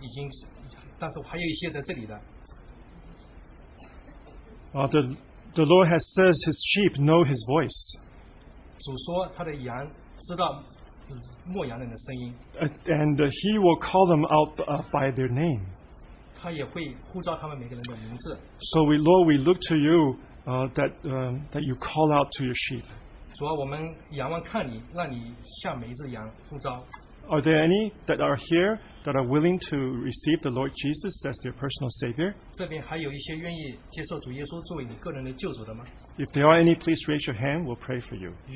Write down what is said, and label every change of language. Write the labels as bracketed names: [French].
[Chinese] 有一些已经接受了主问已经，但是还有一些在这里的。 [English] The Lord has says His sheep know His voice. [Chinese] 主说他的羊知道牧羊人的声音。 [English] He will call them out by their name. [Chinese] 他也会呼召他们每个人的名字。 [English] So Lord, we look to you that you call out to your sheep. [Chinese] 主啊，我们仰望看你，让你向每一只羊呼召。 [English] Are there any that are here that are willing to receive the Lord Jesus as their personal Savior? If there are any, please raise your hand. We'll pray for you.